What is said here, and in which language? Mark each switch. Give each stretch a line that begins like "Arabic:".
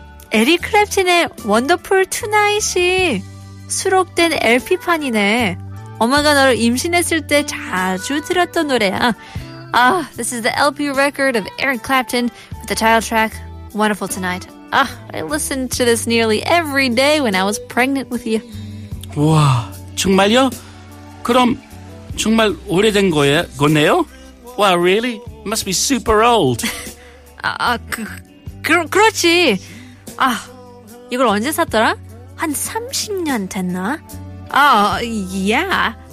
Korean: 에릭 클랩튼의 원더풀 투나잇이 수록된 LP판이네. 엄마가 너를 임신했을 때 자주 들었던 노래야.
English: Ah, this is the LP record of Eric Clapton with the title track Wonderful Tonight. Ah, I listened to this nearly every day when I was pregnant with you.
Korean: 와, 정말요? 그럼 정말 오래된 거네요?
English: Wow, really? Must be super old.
Korean: 그렇지. 아, 이걸 언제 샀더라? 한 30년 됐나? Yeah.